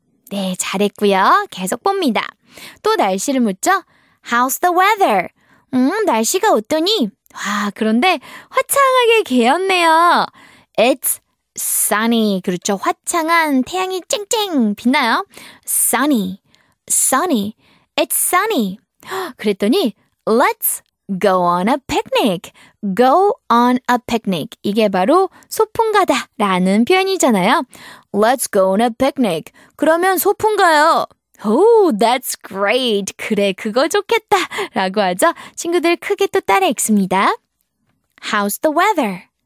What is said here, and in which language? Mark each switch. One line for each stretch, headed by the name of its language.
Korean: 네, 잘했고요. 계속 봅니다. 또 날씨를 묻죠?
English: How's the weather?
Korean: 날씨가 어떠니? 와, 그런데 화창하게 개었네요.
English: It's sunny.
Korean: 그렇죠. 화창한 태양이 쨍쨍 빛나요.
English: Sunny. Sunny. It's sunny.
Korean: 그랬더니
English: Let's go on a picnic. Go on a picnic.
Korean: 이게 바로 소풍 가다 라는 표현이잖아요.
English: Let's go on a picnic.
Korean: 그러면 소풍 가요.
English: Oh, that's great.
Korean: 그래, 그거 좋겠다. 라고 하죠. 친구들 크게 또 따라 읽습니다.
English: How's the weather?